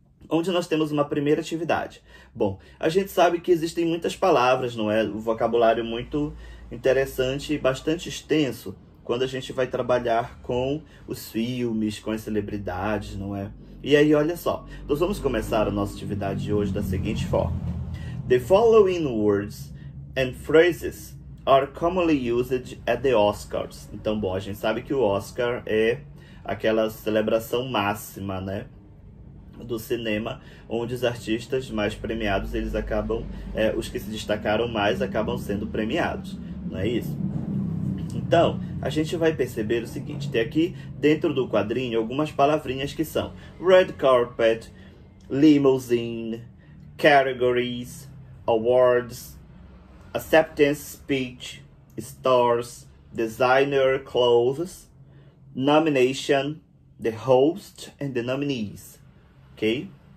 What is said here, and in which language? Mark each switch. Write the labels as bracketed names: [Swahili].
[Portuguese] Onde nós temos uma primeira atividade. Bom, a gente sabe que existem muitas palavras, não é? Um vocabulário muito interessante e bastante extenso quando a gente vai trabalhar com os filmes, com as celebridades, não é? E aí, olha só, nós vamos começar a nossa atividade de hoje da seguinte forma. [English] The following words and phrases are commonly used at the Oscars. [Portuguese] Então, bom, a gente sabe que o Oscar é aquela celebração máxima, né? Do cinema, onde os artistas mais premiados, eles acabam, os que se destacaram mais, acabam sendo premiados, não é isso? Então, a gente vai perceber o seguinte, tem aqui dentro do quadrinho algumas palavrinhas que são [English] red carpet, limousine, categories, awards, acceptance speech, stars, designer clothes, nomination, the host and the nominees. [Portuguese] Ok?